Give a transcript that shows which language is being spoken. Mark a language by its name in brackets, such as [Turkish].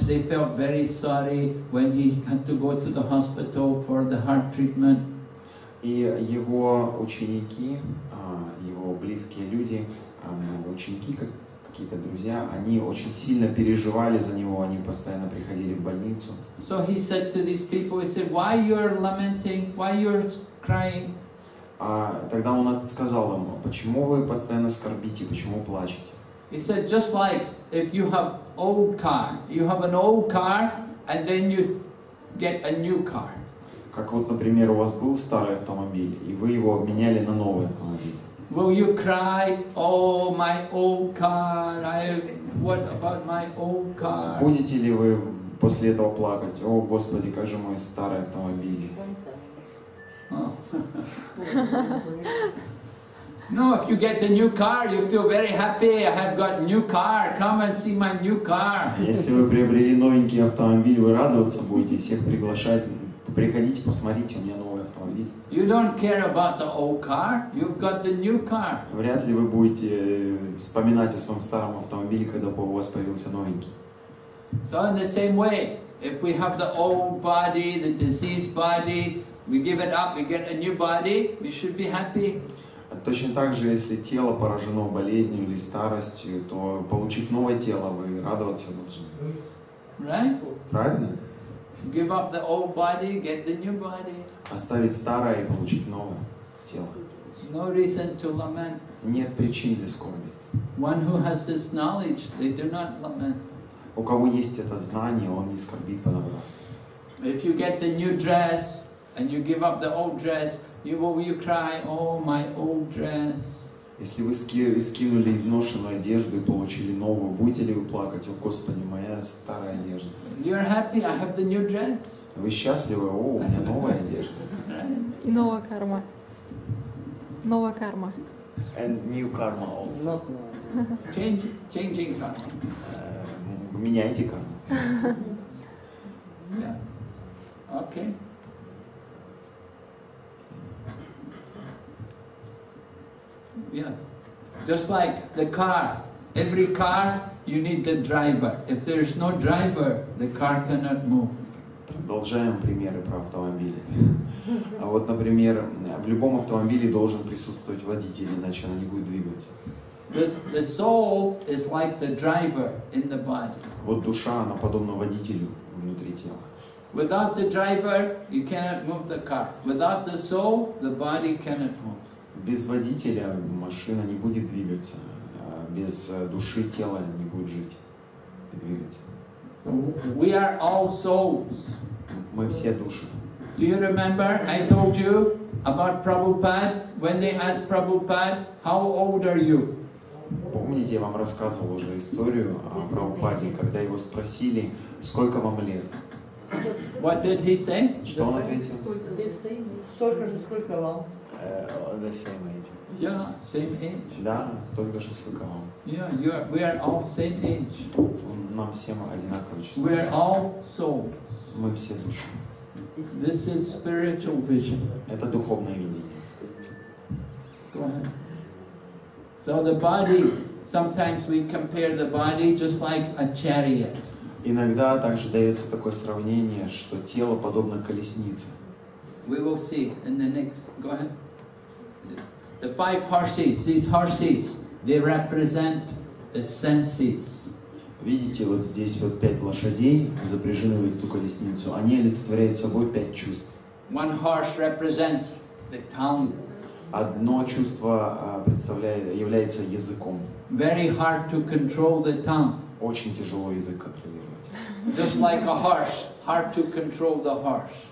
[English] They felt very sorry when he had to go to the hospital for the heart treatment. [Russian] И его ученики, его близкие люди, ученики, какие-то друзья, они очень сильно переживали за него, они постоянно приходили в больницу. [English] So he said to these people, he said, why you're lamenting, why you're crying? [Russian] А тогда он сказал им, почему вы постоянно скорбите, почему плачете? [English] He said, just like if you have old car, you have an old car, and then you get a new car. [Russian] Как вот, например, у вас был старый автомобиль, и вы его обменяли на новый автомобиль. [English] Will you cry, oh, my old car, what about my old car? [Russian] Будете ли вы после этого плакать, о, Господи, как же мой старый автомобиль? [English] No, if you get the new car, you feel very happy. I have got new car. Come and see my new car. [Russian] Если вы приобрели новенький автомобиль, вы радоваться будете, всех приглашать. Приходите, посмотрите, у меня новый автомобиль. [English] You don't care about the old car, you've got the new car. [Russian] Вряд ли вы будете вспоминать о своем старом автомобиле, когда у вас появился новенький. [English] So in the same way, if we have the old body, the diseased body, we give it up, we get a new body, we should be happy. [Russian] Точно так же, если тело поражено болезнью или старостью, то получив новое тело, вы радоваться должны. [English] Right? [Russian] Правильно? [English] Give up the old body, get the new body. [Russian] Оставить старое и получить новое тело. [English] no reason to lament. [Russian] Нет причин для скорби. [English] One who has this knowledge, they do not lament. [Russian] У кого есть это знание, он не скорбит понапрасну. [English] If you get the new dress and you give up the old dress, you cry, oh my old dress. [Russian] Если вы скинули изношенную одежду и получили новую, будете ли вы плакать, о Господи, моя старая одежда? [English] You're happy, I have the new dress. [Russian] Вы счастливы, о, у меня новая одежда. И новая карма. Новая карма. [English] And new karma also. Not new. Changing karma. [Russian] Меняйте карму. [English] Yeah. Okay. Yeah. Just like the car. Every car, you need the driver. If there's no driver, the car cannot move. [Russian] Продолжаем примеры про автомобили. А вот, например, в любом автомобиле должен присутствовать водитель, иначе она не будет двигаться. [English] The soul is like the driver in the body. [Russian] Вот душа, она подобна водителю внутри тела. [English] Without the driver, you cannot move the car. Without the soul, the body cannot move. [Russian] Без водителя машина не будет двигаться. Без души тело не будет жить и двигаться. [English] So we are all souls. [Russian] Мы все души. [English] Do you remember I told you about Prabhupada when they asked Prabhupada, how old are you? [Russian] Помните, я вам рассказывал уже историю о Прабхупаде, когда его спросили, сколько вам лет? [English] What did he say? [Russian] Что он ответил? [English] The same. [Russian] Столько же, сколько вам. [English] The same age. Yeah, same age. [Russian] Да, столько же, сколько вам. [English] Yeah, we are all same age. [Russian] Нам всем одинаковое число. [English] We are all souls. [Russian] Мы все души. [English] This is spiritual vision. [Russian] Это духовное видение. [English] Go ahead. So the body, sometimes we compare the body just like a chariot. [Russian] Иногда также дается такое сравнение, что тело подобно колеснице. [English] We will see in the next. Go ahead. The five horses, these horses, they represent the senses. [Russian] Видите, вот здесь вот пять лошадей, запряжены в эту колесницу. Они олицетворяют собой пять чувств. [English] One horse represents the tongue. [Russian] Одно чувство представляет, является языком. [English] Very hard to control the tongue. [Russian] Очень тяжело язык контролировать. [English] Just like a horse, hard to control the horse.